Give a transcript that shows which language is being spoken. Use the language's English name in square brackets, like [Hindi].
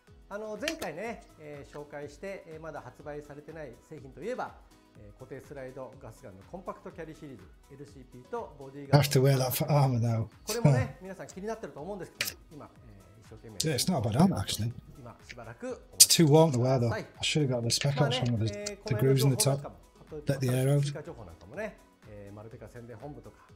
[Japanese] あの前回ね、紹介して、まだ発売されてない製品といえば、固定スライドガスガンのコンパクトキャリーシリーズ LCP とボディーガン。 [English] I have to wear that armor now. [Japanese] これもね皆さん気になってると思うんですけど、今、一生懸命。 [English] Yeah, it's not a bad armor actually. [Japanese] 今しばらく。 [English] It's too warm to wear though. I should have got the spec on some of the grooves in the top. Let the air out. [Japanese] 情報なんかもね、マルペカ宣伝本部とか。